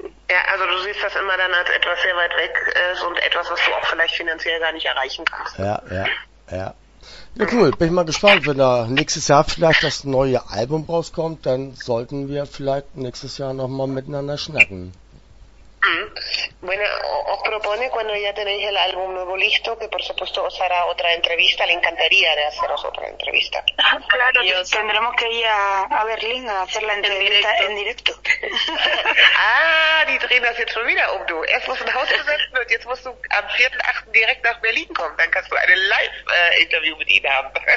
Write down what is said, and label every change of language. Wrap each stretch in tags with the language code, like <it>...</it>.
<de>Ja, also du siehst das immer dann als etwas sehr weit weg ist und etwas, was du auch vielleicht finanziell gar nicht erreichen kannst. Ja. Ja, cool, bin ich mal gespannt, wenn da nächstes Jahr vielleicht das neue Album rauskommt, dann sollten wir vielleicht nächstes Jahr nochmal miteinander schnacken.</de> <es>Bueno, os propone cuando ya tenéis el álbum nuevo listo, que por supuesto os hará otra entrevista, le encantaría de haceros otra entrevista. Claro, Dios. Tendremos que ir a Berlín a hacer la entrevista en directo.</es> <de>Ah, die drehen das jetzt schon wieder um, du. Erst musst du nach Hause setzen und jetzt musst du am 4.8. direkt nach Berlin kommen, dann kannst du eine Live-Interview mit ihnen haben.</de>